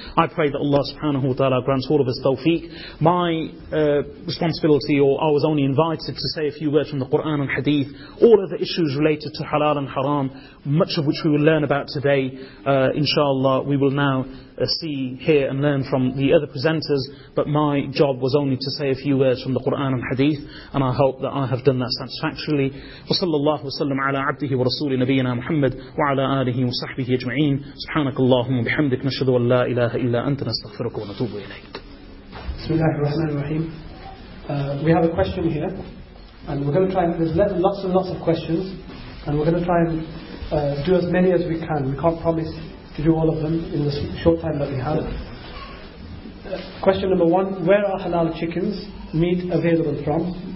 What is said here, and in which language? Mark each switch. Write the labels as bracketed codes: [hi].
[en] I pray that Allah subhanahu wa ta'ala grants all of us tawfiq. My responsibility, or I was only invited to say a few words from the Quran and Hadith, all of the issues related to halal and haram, much of which we will learn about today. Inshallah, we will now see, hear and learn from the other presenters, but my job was only to say a few words from the Quran and Hadith, and I hope that I have done that satisfactorily. [ar] Wa sallallahu sallam ala abdihi wa rasooli nabiyyina Muhammad wa ala آله وصحبه أجمعين سبحانك اللهم وبحمدك نشهد أن لا إله إلا أنت نستغفرك ونتوب إليك. بسم الله الرحمن الرحيم. [en] We have a question here, and we're going to try. There's lots and lots of questions, and we're going to try and do as many as we can. We can't promise to do all of them in the short time that we have. Question number one: where are halal chickens meat available from?